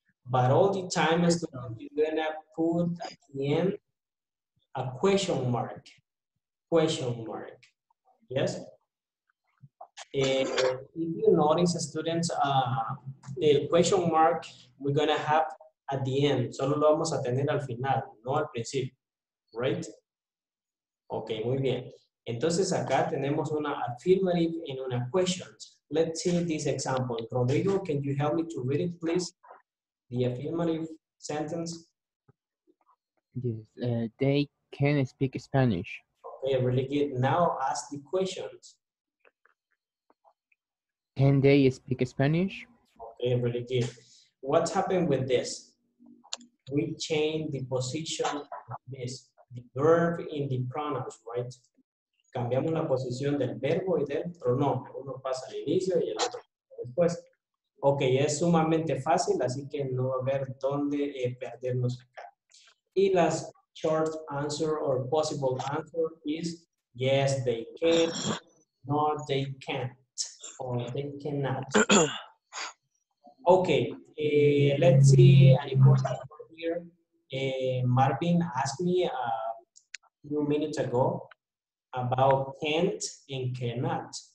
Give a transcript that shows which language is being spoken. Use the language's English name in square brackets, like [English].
[English] But all the time is gonna put at the end a question mark. Question mark. Yes? If you notice, students, the question mark we're gonna have at the end. [Spanish] Solo lo vamos a tener al final, no al principio. [English] Right? Okay, [Spanish] muy bien. Entonces acá tenemos una [English] affirmative and [Spanish] una [English] question. Let's see this example. Rodrigo, can you help me to read it, please? The affirmative sentence. Yes, they can speak Spanish. Okay, really good. Now ask the questions. Can they speak Spanish? Okay, really good. What happened with this? We change the position of this, the verb in the pronouns, right? [Spanish] Cambiamos la posición del verbo y del pronombre. Uno pasa al inicio y el otro después. Ok, es sumamente fácil, así que no va a haber dónde perdernos acá. Y las [English] short answer or possible answer is yes, they can, no, they can't, or they cannot. Ok, let's see an important word here. Marvin asked me a few minutes ago about can't and cannot.